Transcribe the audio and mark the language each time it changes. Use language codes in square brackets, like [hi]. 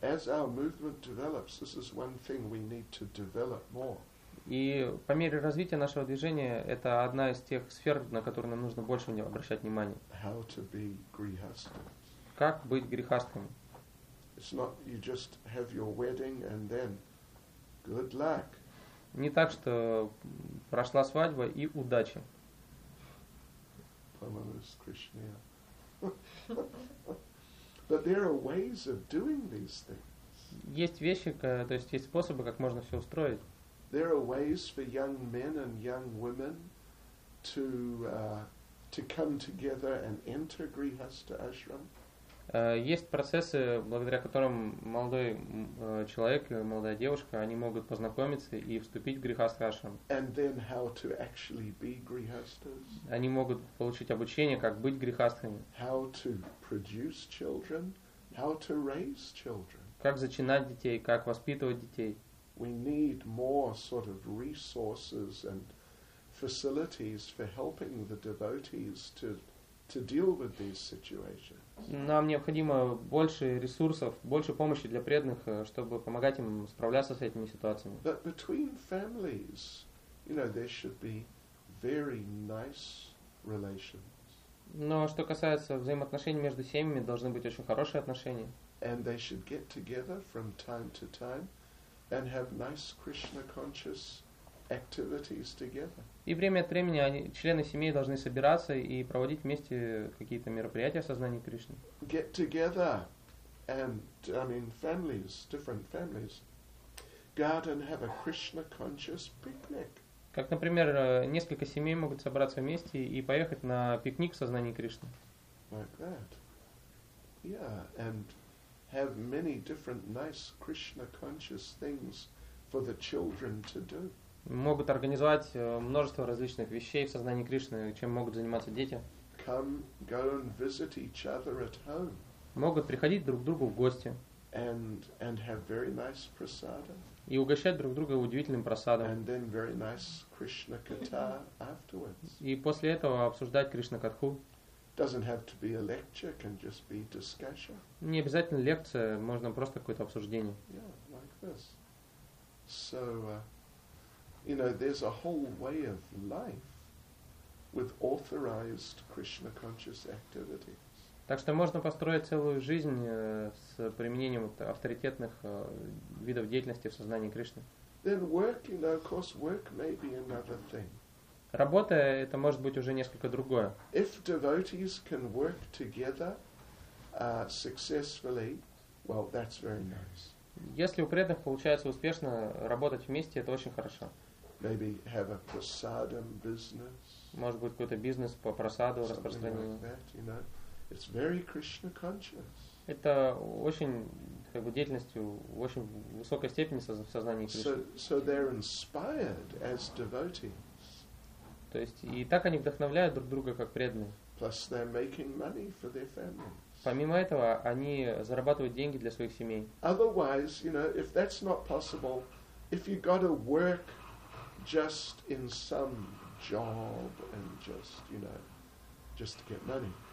[en] As our movement develops, this is one thing we need to develop more. [ru] И по мере развития нашего движения это одна из тех сфер, на которые нам нужно больше обращать внимание. [en] How to be grihastha. [ru] Как быть грихастхами? [en] It's not you just have your wedding and then good luck. [ru] Не так, что прошла свадьба и удача. Помолись Кришне. [en] But there are ways of doing these things. [ru] есть вещи, то есть есть способы, как можно все устроить. [en] There are ways for young men and young women to to come together and enter Grihastha ashram. [ru] Есть процессы, благодаря которым молодой человек или молодая девушка, они могут познакомиться и вступить в Grihastha ashram. [en] And then how to actually be Grihasthas. [ru] Они могут получить обучение, как быть грихастхами. [en] How to produce children, how to raise children. [ru] Как зачинать детей, как воспитывать детей. [en] We need more sort of resources and facilities for helping the devotees to deal with these situations. [ru] Нам необходимо больше ресурсов, больше помощи для преданных, чтобы помогать им справляться с этими ситуациями. [en] But between families, you know, there should be very nice relations. [ru] Но что касается взаимоотношений между семьями, должны быть очень хорошие отношения. [en] And they should get together from time to time. And have nice Krishna conscious activities together. [ru] И время от времени они, члены семьи должны собираться и проводить вместе какие-то мероприятия сознания Кришны. [en] Get together and I mean families, different families, garden have a Krishna conscious picnic. [ru] Как, например, несколько семей могут собраться вместе и поехать на пикник в сознании Кришны. [en] Like that. Yeah, and have many different nice Krishna conscious things for the children to do. [ru] Могут организовать множество различных вещей в сознании Кришны, чем могут заниматься дети. [en] Come, go and visit each other at home. [ru] Могут приходить друг к другу в гости. [en] And have very nice prasada. [ru] И угощать друг друга удивительным прасадом. [en] And then very nice Krishna katha afterwards. [ru] И после этого обсуждать Кришна катху. [en] Doesn't have to be a lecture, can just be discussion. [ru] Не обязательно лекция, можно просто какое-то обсуждение. [en] Yeah, like this. So, you know, there's a whole way of life with authorized Krishna conscious activities. [ru] Так что можно построить целую жизнь с применением авторитетных видов деятельности в сознании Кришны. [en] Then work, you know, of course, work may be another thing. [ru] Работа – это может быть уже несколько другое. [en] If devotees can work together successfully, well, that's very nice. [ru] Если у преданных получается успешно работать вместе, это очень хорошо. [en] Maybe have a prasadam business. [ru] Может быть, какой-то бизнес по прасаду распространению. [en] Something like that, you know. It's very Krishna conscious. [ru] Это очень, как бы, деятельностью в очень высокой степени в сознании Кришны. [en] So they're inspired as devotees. [ru] То есть и так они вдохновляют друг друга как преданные. [en] Plus they're making money for their families. [ru] Помимо этого, они зарабатывают деньги для своих семей. [en] Otherwise, you know, if that's not possible, if you got to work just in some job and just, you know, just to get money.